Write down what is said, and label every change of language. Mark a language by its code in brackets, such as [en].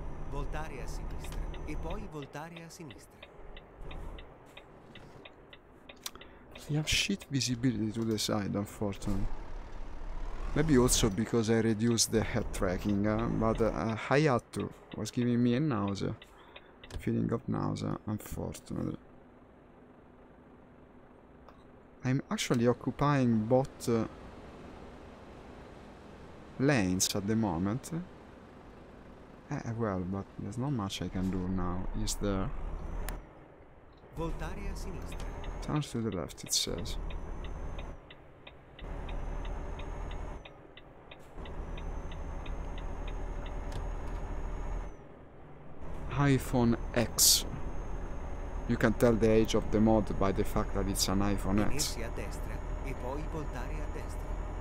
[it] Voltare a sinistra e poi voltare a sinistra. [en] We have shit visibility to the side, unfortunately. Maybe also because I reduced the head tracking, but Hayato was giving me a nausea. Feeling of nausea, unfortunately. I'm actually occupying both lanes at the moment. Well, but there's not much I can do now, is there? [it] Voltare a sinistra. [en] Turn to the left, it says. iPhone X. You can tell the age of the mod by the fact that it's an iPhone X. [it] Tenersi a destra e poi voltare a destra.